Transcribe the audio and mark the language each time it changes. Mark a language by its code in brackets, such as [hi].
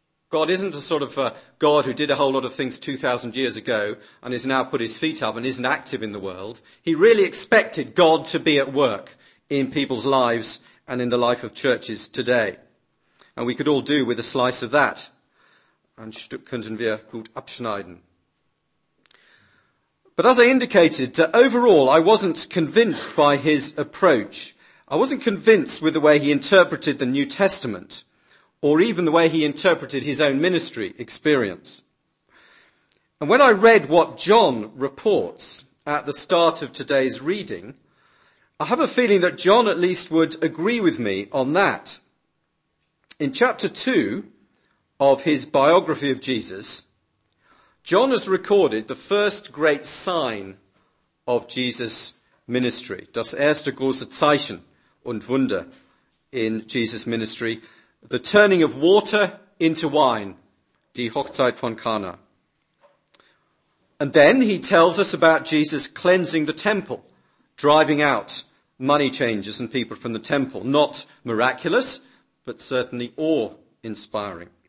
[en] God isn't a sort of God who did a whole lot of things 2,000 years ago and has now put his feet up and isn't active in the world. He really expected God to be at work in people's lives and in the life of churches today. And we could all do with a slice of that. [de] Ein Stück könnten wir gut abschneiden. [en] But as I indicated, overall, I wasn't convinced by his approach. I wasn't convinced with the way he interpreted the New Testament, or even the way he interpreted his own ministry experience. And when I read what John reports at the start of today's reading, I have a feeling that John at least would agree with me on that. In chapter 2 of his biography of Jesus, John has recorded the first great sign of Jesus' ministry. [de] Das erste große Zeichen und Wunder [en] in Jesus' ministry. The turning of water into wine. [de] Die Hochzeit von Cana. [en] And then he tells us about Jesus cleansing the temple. Driving out money changers and people from the temple. Not miraculous, but certainly awe-inspiring.